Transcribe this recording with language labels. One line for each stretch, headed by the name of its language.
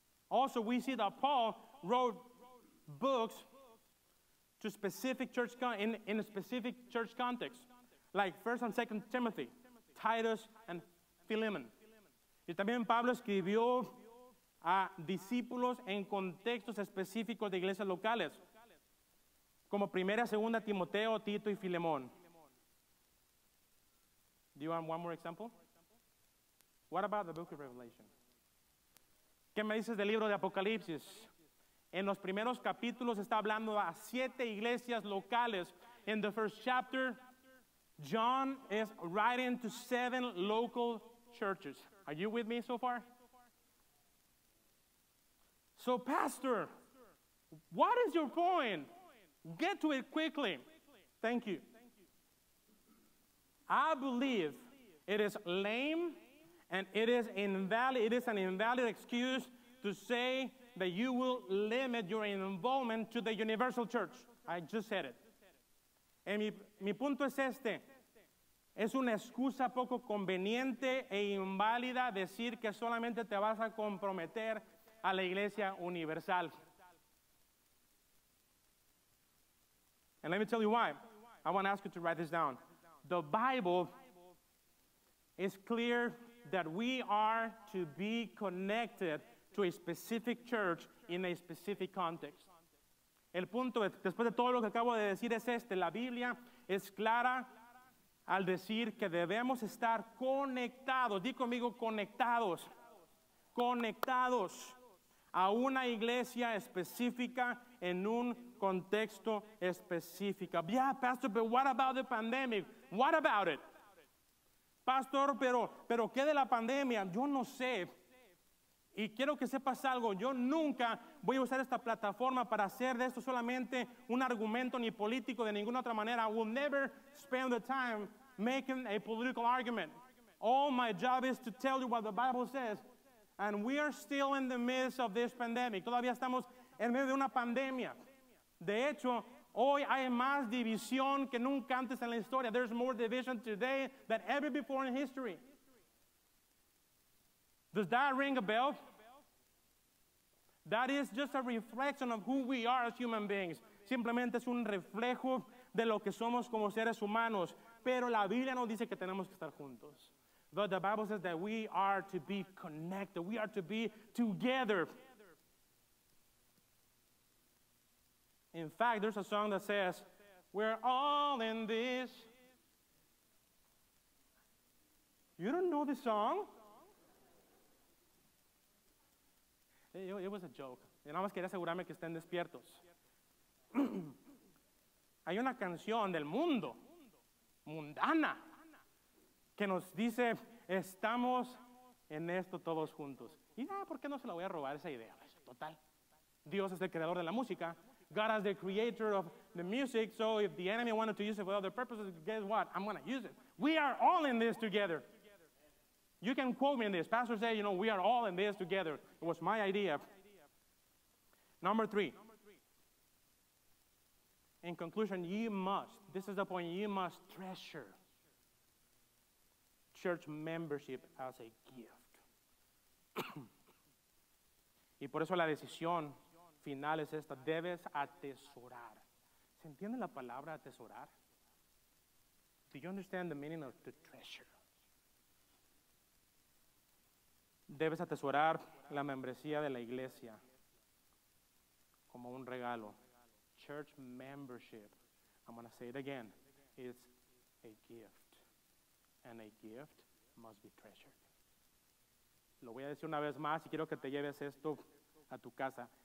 English: Also, we see that Paul wrote books to specific church in a specific church context, like 1st and 2nd Timothy, Titus, and Philemon.
Spanish: Y también Pablo escribió a discípulos en contextos específicos de iglesias locales, como Primera, Segunda, Timoteo, Tito y Filemón.
English: Do you want one more example? What about the book of Revelation?
Spanish: ¿Qué me dices del libro de Apocalipsis? En los primeros capítulos está hablando a 7 iglesias locales.
English: In the first chapter, John is writing to 7 local churches. Are you with me so far? So, pastor, what is your point? Get to it quickly. Thank you. I believe it is lame and it is an invalid excuse to say that you will limit your involvement to the universal church. I just said it.
Spanish: Mi punto es este. Es una excusa poco conveniente e inválida decir que solamente te vas a comprometer a la iglesia universal.
English: And let me tell you why. I want to ask you to write this down. The Bible is clear that we are to be connected to a specific church in a specific context.
Spanish: El punto es, después de todo lo que acabo de decir, es este. La Biblia es clara al decir que debemos estar conectados. Di conmigo, conectados. Conectados a una iglesia específica en un contexto específico.
English: Yeah, pastor, but what about the pandemic? What about it?
Spanish: Pastor, pero ¿qué de la pandemia? Yo no sé. Y quiero que sepas algo. Yo nunca voy a usar esta plataforma para hacer de esto solamente un argumento ni político de ninguna otra manera.
English: I will never spend the time making a political argument. All my job is to tell you what the Bible says. And we are still in the midst of this pandemic.
Spanish: Todavía estamos en medio de una pandemia. De hecho, hoy hay más división que nunca antes en la historia.
English: There's more division today than ever before in history. Does that ring a bell? That is just a reflection of who we are as human beings.
Spanish: Simplemente es un reflejo de lo que somos como seres humanos. Pero la Biblia nos dice que tenemos que estar juntos.
English: But the Bible says that we are to be connected. We are to be together. In fact, there's a song that says, we're all in this. You don't know the song? It was a joke.
Spanish: Yo nada más quería asegurarme que estén despiertos. Hay una canción del mundo, mundana, que nos dice, estamos en esto todos juntos. Y nada, ¿por qué no se la voy a robar esa idea? Total, Dios es el creador de la música.
English: God is the creator of the music, so if the enemy wanted to use it for other purposes, guess what? I'm going to use it. We are all in this together. You can quote me in this. Pastor said, you know, we are all in this together. It was my idea. Number three. In conclusion, you must, this is the point, you must treasure church membership as a gift.
Spanish: Y por eso la decisión final es esta. Debes atesorar. ¿Se entiende la palabra atesorar?
English: Do you understand the meaning of the treasure?
Spanish: Debes atesorar la membresía de la iglesia como un regalo.
English: Church membership, I'm going to say it again, is a gift. And a gift must be treasured.
Spanish: Lo voy a decir una vez más y quiero que te lleves esto a tu casa.